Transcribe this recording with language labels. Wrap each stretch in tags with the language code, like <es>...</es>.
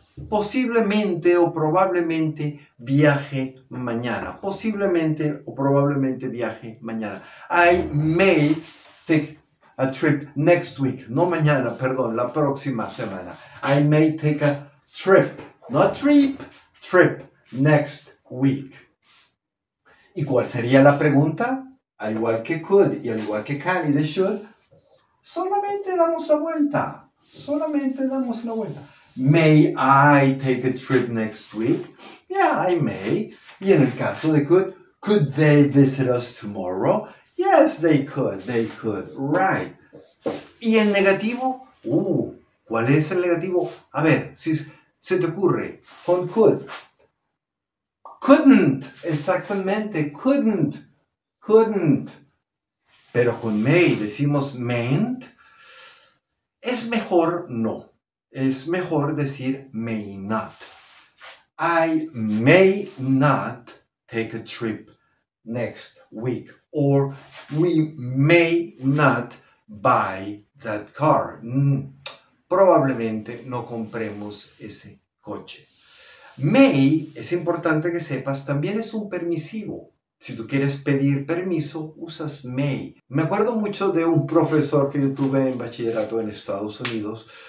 <es>Posiblemente o probablemente viaje mañana. Posiblemente o probablemente viaje mañana.</es> <en>I may take a trip next week.</en> <es>No mañana, perdón, la próxima semana.</es> <en>I may take a trip.</en> <es>No trip, trip next week. ¿Y cuál sería la pregunta? Al igual que could y al igual que can y the should, solamente damos la vuelta. Solamente damos la vuelta.</es> <en>May I take a trip next week? Yeah, I may.</en> <es>Y en el caso de</es> <en>could they visit us tomorrow? Yes, they could, right.</en> <es>Y en negativo, ¿cuál es el negativo? A ver, si se te ocurre, con could. Couldn't, exactamente, couldn't, couldn't. Pero con may, decimos mayn't, es mejor no. Es mejor decir may not.</es> <en>I may not take a trip next week. Or we may not buy that car.</en> <es>Probablemente no compremos ese coche. May, es importante que sepas, también es un permisivo. Si tú quieres pedir permiso, usas may. Me acuerdo mucho de un profesor que yo tuve en bachillerato en Estados Unidos.</es>